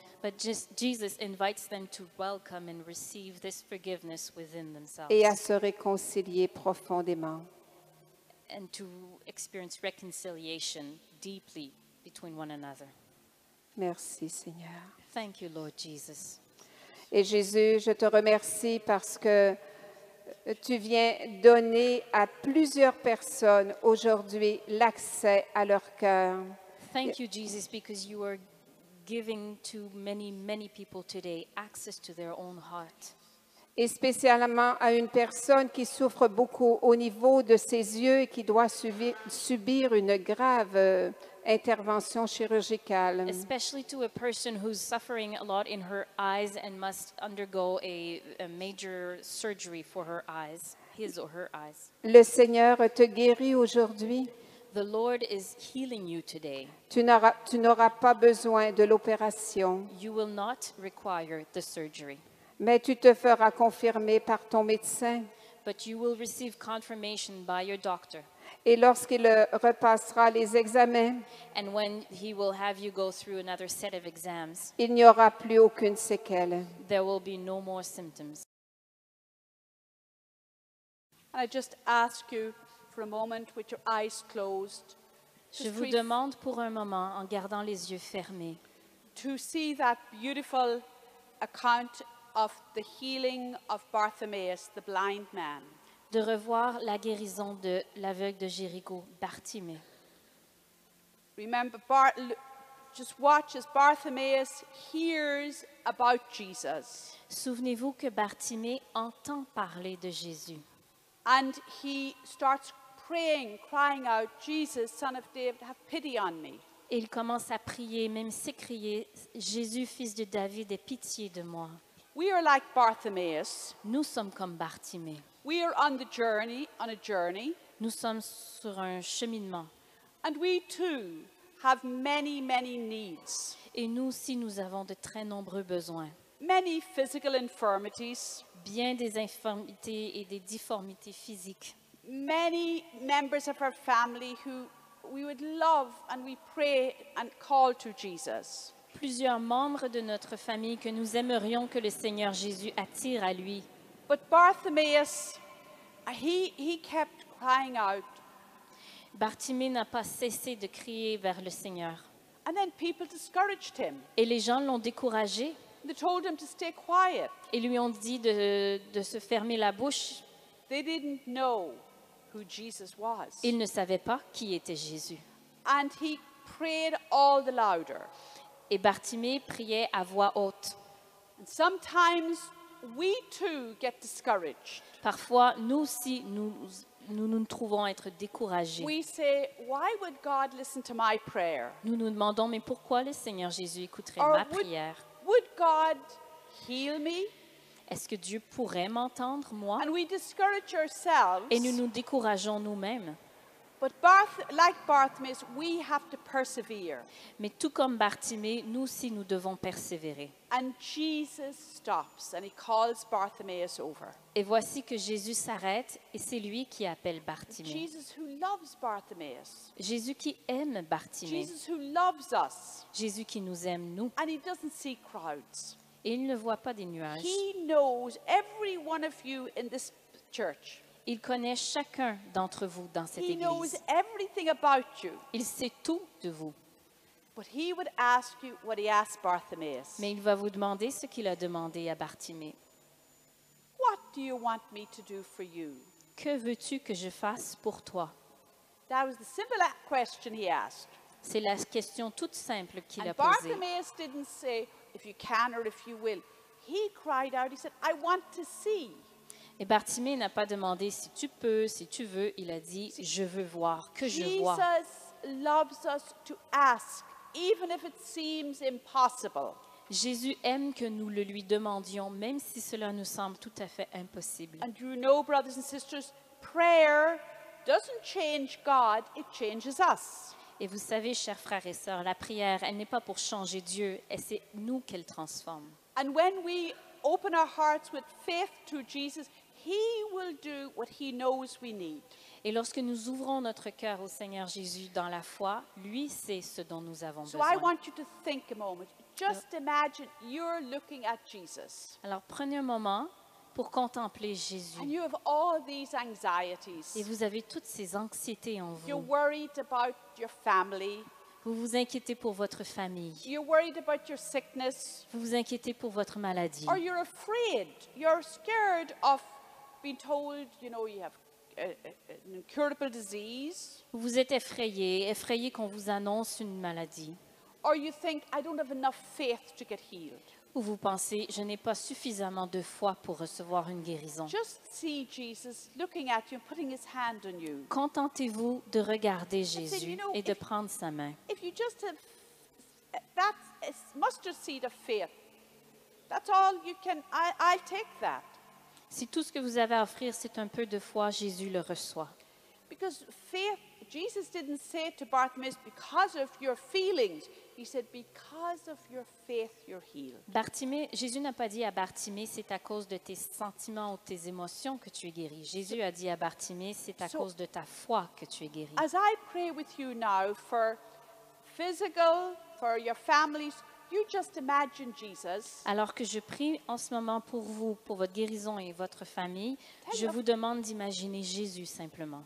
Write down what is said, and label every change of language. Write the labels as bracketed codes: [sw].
[en] But Jesus invites them to welcome and receive this forgiveness within themselves. [fr] Et à se réconcilier profondément. [en] And to experience reconciliation deeply between one another. [fr] Merci, Seigneur. [en] Thank you, Lord Jesus. [fr] Et Jésus, je te remercie parce que tu viens donner à plusieurs personnes aujourd'hui l'accès à leur cœur. [en] Thank you, Jesus, because you are giving to many, many people today access to their own heart. [fr] Et spécialement à une personne qui souffre beaucoup au niveau de ses yeux et qui doit subir une grave intervention chirurgicale. [en] Especially to a person who's suffering a lot in her eyes and must undergo a major surgery for her eyes, his or her eyes. [fr] Le Seigneur te guérit aujourd'hui. [en] The Lord is healing you today. [fr] Tu n'auras pas besoin de l'opération. [en] You will not require the surgery. [fr] Mais tu te feras confirmer par ton médecin. [en] But you will receive confirmation by your doctor. [fr] Et lorsqu'il repassera les examens, [en] and when he will have you go through another set of exams, [fr] il n'y aura plus aucune séquelle. [en] There will be no more symptoms. I just ask you for a moment with your eyes closed. [fr] Je vous demande pour un moment, en gardant les yeux fermés, [en] to see that beautiful account of the healing of Bartimaeus, the blind man. [fr] De revoir la guérison de l'aveugle de Jéricho, Bartimée. [en] Remember, just watch as Bartimaeus hears about Jesus. [fr] Souvenez-vous que Bartimée entend parler de Jésus. [en] And he starts praying, crying out, "Jesus, Son of David, have pity on me." [fr] Et il commence à prier, même s'écrier, "Jésus, fils de David, aie pitié de moi." [en] We are like Bartimaeus. [fr] Nous sommes comme Bartimée. [en] We are on the journey, on a journey. [fr] Nous sommes sur un cheminement. [en] And we too have many, many needs. [fr] Et nous aussi, nous avons de très nombreux besoins. [en] Many physical infirmities. [fr] Bien des infirmités et des difformités physiques. [en] Many members of our family who we would love and we pray and call to Jesus. [fr] Plusieurs membres de notre famille que nous aimerions que le Seigneur Jésus attire à lui. [en] But Bartimaeus, he kept crying out. [fr] Bartimée n'a pas cessé de crier vers le Seigneur. [en] And then people discouraged him. [fr] Et les gens l'ont découragé. [en] They told him to stay quiet. [fr] Et lui ont dit de se fermer la bouche. [en] They didn't know who Jesus was. [fr] Ils ne savaient pas qui était Jésus. [en] And he prayed all the louder. [fr] Et Bartimée priait à voix haute. [en] And sometimes we too get discouraged. [fr] Parfois, nous aussi, nous trouvons être découragés. [en] We say, why would God listen to my prayer? [fr] Nous nous demandons, mais pourquoi le Seigneur Jésus écouterait ma prière? [en] Would God heal me? [fr] Est-ce que Dieu pourrait m'entendre, moi? [en] And we discourage ourselves. [fr] Et nous nous décourageons nous-mêmes. [en] But like Bartimaeus, we have to persevere. [fr] Mais tout comme Bartimée, nous aussi, nous devons persévérer. [en] And Jesus stops and he calls Bartimaeus over. [fr] Et voici que Jésus s'arrête et c'est lui qui appelle Bartimée. [en] Jesus who loves Bartimaeus. [fr] Jésus qui aime Bartimée. [en] Jesus who loves us. [fr] Jésus qui nous aime, nous. [en] And he doesn't see crowds. [fr] Et il ne voit pas des nuages. [en] He knows every one of you in this church. [fr] Il connaît chacun d'entre vous dans cette [en] he [fr] église. [en] Knows everything about you. [fr] Il sait tout de vous. [en] But he would ask you what he asked Bartimaeus. [fr] Mais il va vous demander ce qu'il a demandé à Bartimée. [en] What do you want me to do for you? [fr] Que veux-tu que je fasse pour toi? [en] That was the simple question he asked. [fr] C'est la question toute simple qu'il [en] And [fr] a posée. [en] Bartimaeus didn't say if you can or if you will. He cried out, he said, I want to see. [fr] Et Bartimée n'a pas demandé si tu peux, si tu veux. Il a dit, je veux voir, que je vois. [en] Jesus loves us to ask, even if it seems impossible. [fr] Jésus aime que nous le lui demandions, même si cela nous semble tout à fait impossible. [en] And you know, brothers and sisters, prayer doesn't change God, it changes us. [fr] Et vous savez, chers frères et sœurs, la prière, elle n'est pas pour changer Dieu, et c'est nous qu'elle transforme. [en] And when we open our hearts with faith to Jesus, He will do what He knows we need. [fr] Et lorsque nous ouvrons notre cœur au Seigneur Jésus dans la foi, lui sait ce dont nous avons [en] so So I want you to think a moment. Just imagine you're looking at Jesus. [fr] Alors prenez un moment pour contempler Jésus. [en] And you have all these anxieties. [fr] Et vous avez toutes ces anxiétés en vous. [en] You're worried about your family. [fr] Vous vous inquiétez pour votre famille. [en] You're worried about your sickness. [fr] Vous vous inquiétez pour votre maladie. [en] Or you're afraid. You're scared of being told, you know, you have an incurable disease. [fr] Vous vous êtes effrayé, effrayé qu'on vous annonce une maladie. [en] Or you think I don't have enough faith to get healed. [fr] Ou vous pensez je n'ai pas suffisamment de foi pour recevoir une guérison. [en] Just see Jesus looking at you and putting his hand on you. [fr] Contentez-vous de regarder Jésus et de prendre sa main. [en] If you just have that mustard seed of faith, that's all you can. I'll take that. [fr] Si tout ce que vous avez à offrir c'est un peu de foi, Jésus le reçoit. [en] Because faith. Jesus didn't say to Bartimaeus, because of your feelings. He said, because of your faith, you're healed. [fr] Bartimée, Jésus n'a pas dit à Bartimée, c'est à cause de tes sentiments ou tes émotions que tu es guéri. Jésus a dit à Bartimée, c'est à cause de ta foi que tu es guéri. [en] As I pray with you now for physical, for your families, you just imagine Jesus. [fr] Alors que je prie en ce moment pour vous, pour votre guérison et votre famille, je vous demande d'imaginer Jésus simplement.